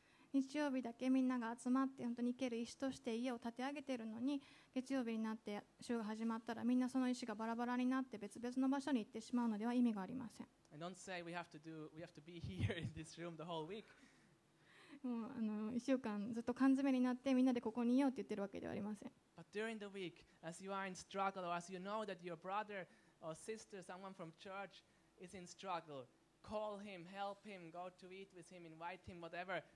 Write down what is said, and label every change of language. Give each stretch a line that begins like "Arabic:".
Japanese: 日曜日だけみんなが集まって本当に生ける石として家を建て上げているのに、月曜日になって週が始まったらみんなその石がバラバラになって別々の場所に行ってしまうのでは意味がありません。
English: I don't say we have to be here in this room the whole week.
Japanese: もう1週間ずっと缶詰になってみんなでここにいようって言ってるわけではありません。
English: But during the week, as you are in struggle, or as you know that your brother or sister, someone from church is in struggle,call him, help him, go to eat with him, invite him, whatever.